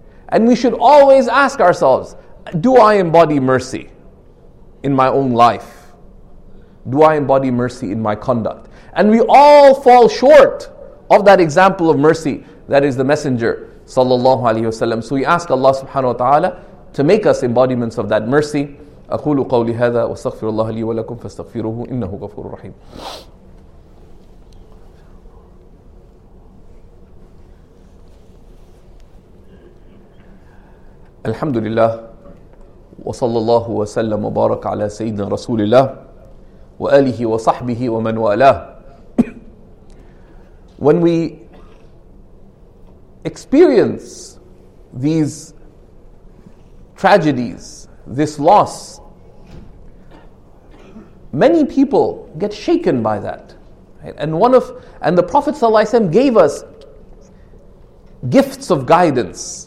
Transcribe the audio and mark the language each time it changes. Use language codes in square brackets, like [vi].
[en] And we should always ask ourselves, do I embody mercy in my own life? Do I embody mercy in my conduct? And we all fall short of that example of mercy that is the Messenger sallallahu alaihi wasallam. So we ask Allah subhanahu wa ta'ala to make us embodiments of that mercy. [ar] أقول قولي هذا واستغفر الله لي ولكم فاستغفروه إنه غفور رحيم. الحمد لله وصلى الله وسلم وبارك على سيدنا رسول الله وآله وصحبه ومن والاه. [en] When we experience these tragedies, this loss, many people get shaken by that. And the Prophet ﷺ gave us gifts of guidance.